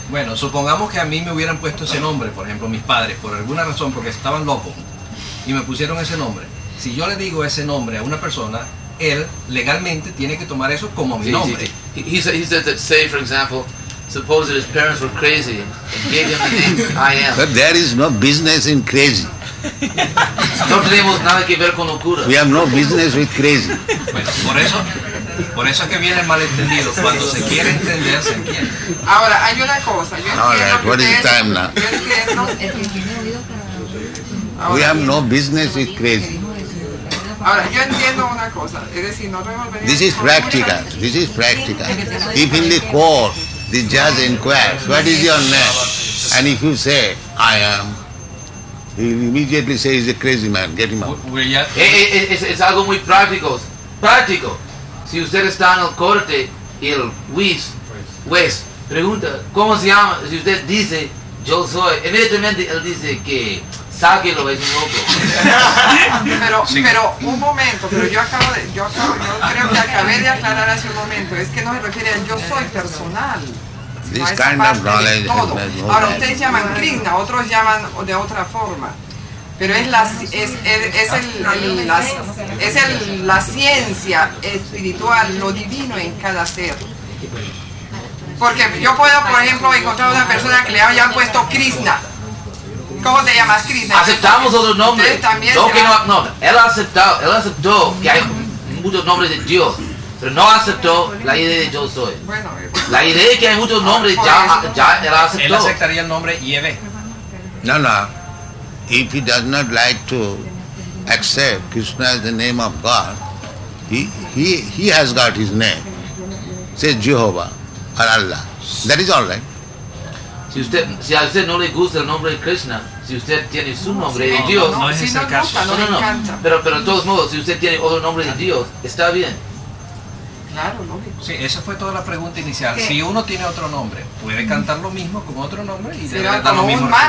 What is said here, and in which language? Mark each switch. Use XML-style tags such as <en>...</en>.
<es>Bueno, supongamos que a mí me hubieran puesto ese nombre, por ejemplo, mis padres, por alguna razón, porque estaban locos y me pusieron ese nombre. Si yo le digo ese nombre a una persona, él legalmente tiene que tomar eso como mi nombre.</es> <en>He said that, say for example, suppose that his parents were crazy and gave him the name I am. But there is no business in crazy.</en> <es>No tenemos nada que ver con locura.</es> <en>We have no business with crazy.</en> <es>Bueno, por eso es que viene el malentendido. Cuando se quiere entender, se entiende. Ahora, hay una cosa.</es> <en>All right, what is the time now?</en> <es>Yo entiendo</es> <en>We have no business with crazy.</en> <es>Ahora, yo entiendo una cosa, es decir, no revolvería.</es> <en>This is practical, this is practical. If in the court, the judge inquires, what is your name? And if you say, I am, he immediately says, he's a crazy man, get him out.</en> <es>Es algo muy práctico, práctico. Si usted está en el corte, el juez, pregunta, ¿cómo se llama? Si usted dice, yo soy, inmediatamente él dice que... Pero un momento, pero yo creo que acabé de aclarar hace un momento, es que no se refiere a yo soy personal.</es> <en>This kind of knowledge.</en> <es>Ahora ustedes llaman Krishna, otros llaman de otra forma. Pero es la ciencia espiritual, lo divino en cada ser. Porque yo puedo, por ejemplo, encontrar una persona que le hayan puesto Krishna. ¿Cómo te llamas, Krishna? Aceptamos otros nombres. Él aceptó que hay muchos nombres de Dios, pero no aceptó la idea de yo soy. Bueno, la idea de que hay muchos nombres, ya él aceptó. Él aceptaría el nombre Yeve. No.</es> <en>If he does not like to accept Krishna as the name of God, he has got his name. Say Jehovah or Allah. That is all right.</en> <es>Si a usted no le gusta el nombre de Krishna, si usted tiene su nombre de Dios, no es el caso. Pero de todos modos, si usted tiene otro nombre de Dios, está bien. Claro, lógico. Sí, esa fue toda la pregunta inicial. ¿Qué? Si uno tiene otro nombre, puede cantar lo mismo con otro nombre y debe dar lo mismo.</es>